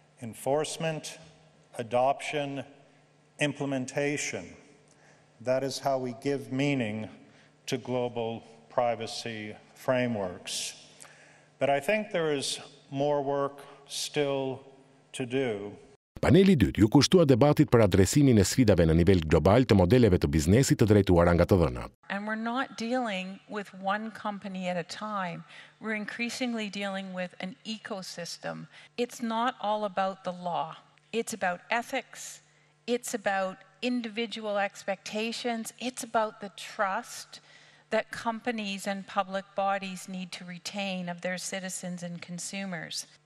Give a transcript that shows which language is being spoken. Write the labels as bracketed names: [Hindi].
[English] Enforcement, adoption, implementation. That is how we give meaning to global privacy frameworks. But I think there is more work still to do. [Albanian] Paneli i dytë ju kushtua debatit për adresimin e sfidave në nivel global të modeleve të biznesit të drejtuara nga të dhëna. [English] And we're not dealing with one company at a time. We're increasingly dealing with an ecosystem. It's not all about the law. It's about ethics. It's about individual expectations. It's about the trust that companies and public bodies need to retain of their citizens and consumers.